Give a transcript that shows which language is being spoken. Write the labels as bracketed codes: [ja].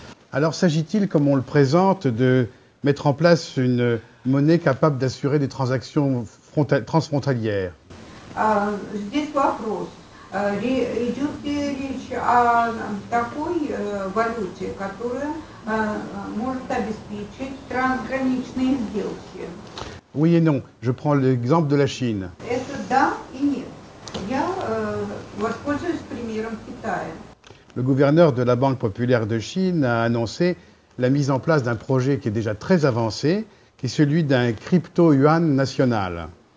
[fr] Alors s'agit-il, comme on le présente, de mettre en place une monnaie capable d'assurer des transactions transfrontalières? [ru] Здесь вопрос. Идет ли речь о такой валюте, которая может обеспечить трансграничные сделки? [fr] Oui et non. Je prends l'exemple de la Chine. [ru] Это да и нет. Я воспользуюсь примером Китая. [fr] Le gouverneur de la Banque Populaire de Chine a annoncé la mise en place d'un projet qui est déjà très avancé, qui est celui d'un crypto-yuan national.